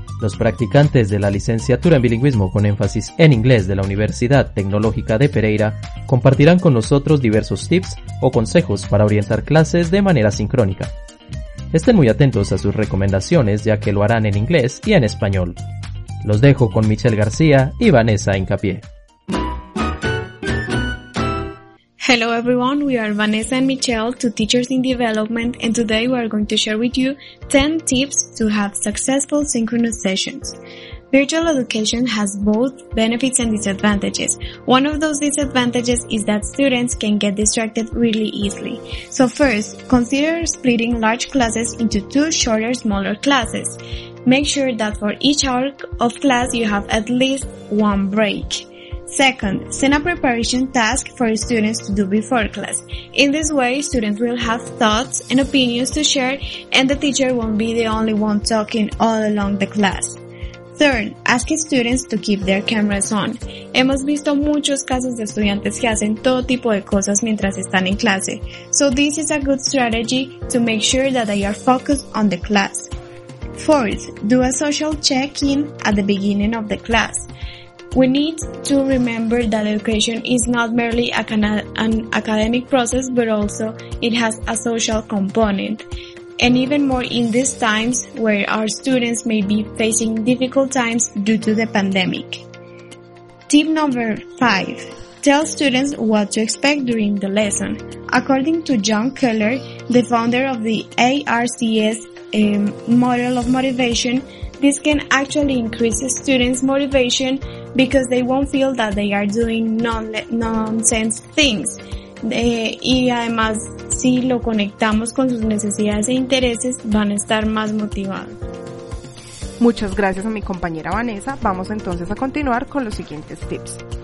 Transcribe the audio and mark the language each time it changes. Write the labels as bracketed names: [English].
[Spanish] Los practicantes de la licenciatura en bilingüismo con énfasis en inglés de la Universidad Tecnológica de Pereira compartirán con nosotros diversos tips o consejos para orientar clases de manera sincrónica. Estén muy atentos a sus recomendaciones ya que lo harán en inglés y en español. Los dejo con Michelle García y Vanessa Hincapié. [English] Hello everyone, we are Vanessa and Michelle, two teachers in development, and today we are going to share with you 10 tips to have successful synchronous sessions. Virtual education has both benefits and disadvantages. One of those disadvantages is that students can get distracted really easily. So first, consider splitting large classes into two shorter, smaller classes. Make sure that for each hour of class you have at least one break. Second, send a preparation task for students to do before class. In this way, students will have thoughts and opinions to share, and the teacher won't be the only one talking all along the class. Third, ask students to keep their cameras on. [Spanish] Hemos visto muchos casos de estudiantes que hacen todo tipo de cosas mientras están en clase. [English] So this is a good strategy to make sure that they are focused on the class. Fourth, do a social check-in at the beginning of the class. We need to remember that education is not merely an academic process, but also it has a social component. And even more in these times where our students may be facing difficult times due to the pandemic. Tip number 5. Tell students what to expect during the lesson. According to John Keller, the founder of the ARCS model of motivation, this can actually increase students' motivation because they won't feel that they are doing nonsense things. [Spanish] Y además, si lo conectamos con sus necesidades e intereses, van a estar más motivados. Muchas gracias a mi compañera Vanessa. Vamos entonces a continuar con los siguientes tips.